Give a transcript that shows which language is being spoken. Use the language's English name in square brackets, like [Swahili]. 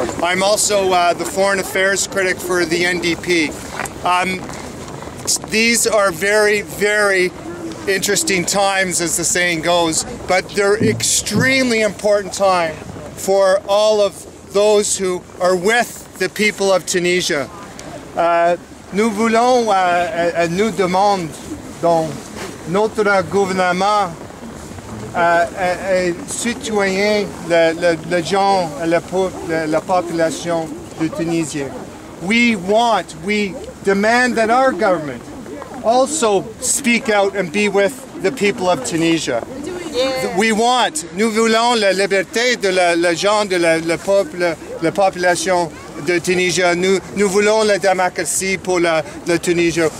[English] I'm also the Foreign Affairs Critic for the NDP. These are very, very interesting times, as the saying goes, but they're extremely important time for all of those who are with the people of Tunisia. [French] Nous voulons, nous demandons donc notre gouvernement citoyen, le gens, la population de Tunisie. [English] We demand that our government also speak out and be with the people of Tunisia. We want, [French] nous voulons la liberté de la gens, de la peuple, la population de Tunisia. Nous voulons la démocratie pour la Tunisia.